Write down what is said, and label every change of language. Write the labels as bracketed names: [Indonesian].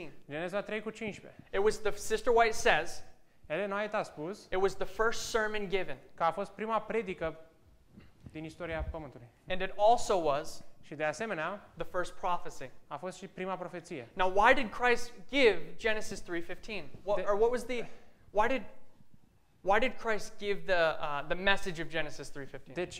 [English] Genesis 3:15. It was the Sister White says. [Romanian] Ellen White a spus. [English] It was the first sermon given. [Romanian] Că a fost prima predică din istoria pământului. [English] And it also was. [Romanian] Și de asemenea, [English] the first prophecy. [Romanian] A fost și prima profeție. [English] Now why did Christ give Genesis 3:15? Why did Christ give the message of Genesis 3:15?